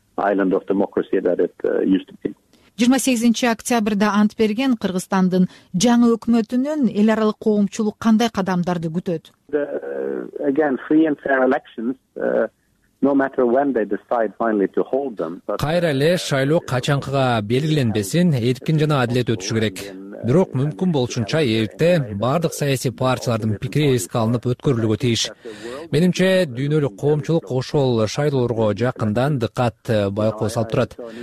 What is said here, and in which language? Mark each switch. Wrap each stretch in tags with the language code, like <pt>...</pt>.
<en>Island of democracy that it used to be.</en> <ky>28 октябрда ант берген Кыргызстандын жаңы өкмөтүнөн эл аралык коомчулук кандай кадамдарды күтөт?</ky> <en>Again, free and fair elections, no matter when they decide finally to hold them.</en> <ky>Кайра эле шайлоо качанкыга белгиленбесин, эркин жана адилет өтүшү керек. Бирок мүмкүн болушунча эрте бардык саясий партиялардын пикири эске алынып өткөрүлүүгө тийиш. Менимче, дүйнөлүк коомчулук ошол шайлоолорго жакындан дыкат байкоо салып турат.</ky>